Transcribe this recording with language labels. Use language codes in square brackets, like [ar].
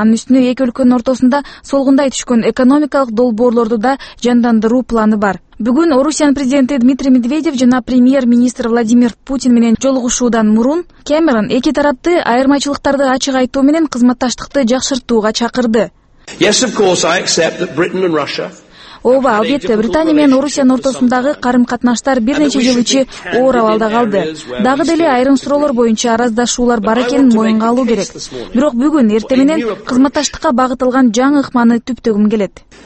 [ky] Анын үстүнө эки өлкөнүн ортосунда солгундай түшкөн экономикалык долбоорлорду да жандандыруу планы бар. Бүгүн Орусиянын президенти Дмитрий Медведев жана премьер-министр Владимир Путин менен жолугушуудан мурун Кэмерон эки тарапты айырмачылыктарды ачык айтуу менен кызматташтыкты жакшыртууга чакырды. [en] Yes, of course, I accept that Britain and Russia... [ky] Ооба, албетте, Британия менен Орусиянын ортосундагы карым-катнаштар бир нече жыл ичи оор абалда калды. Дагы деле айрым суроолор боюнча араздашуулар бар экенин моюнга алуу керек. Бирок бүгүн эрте менен кызматташтыкка багытталган жаңы ыкманы түптөгүм келет.